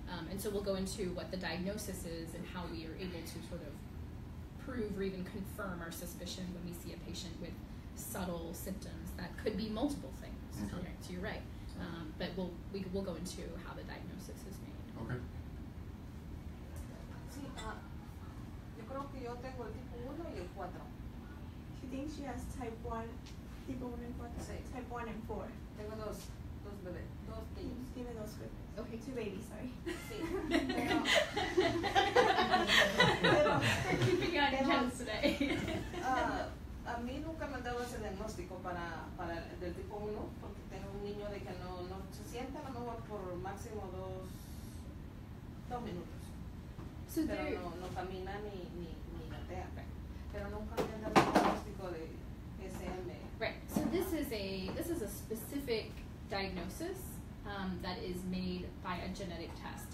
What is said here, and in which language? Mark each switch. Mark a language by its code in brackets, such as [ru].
[en] And so we'll go into what the diagnosis is and how we are able to sort of prove or even confirm our suspicion when we see a patient with subtle symptoms that could be multiple things. Okay. Right, so you're right. But we'll go into how the diagnosis is made. Okay. [es] Sí, yo creo que yo tengo el tipo 1 y el 4. [en] She thinks she has type 1 and 4. [es] Tengo dos. Dos bebés, dos niños. Tiene dos bebés. [en] Okay, two babies, sorry. [es] Sí. Pero. [en] We're keeping on jobs today. [es] A mí nunca me han dado ese diagnóstico para del tipo 1, porque tengo un niño de que no se sienta a lo mejor por máximo dos minutos. [en] So [es] pero no camina ni gatea. Pero nunca me han dado el diagnóstico de SM. [en] Right, so this is a specific diagnosis that is made by a genetic test.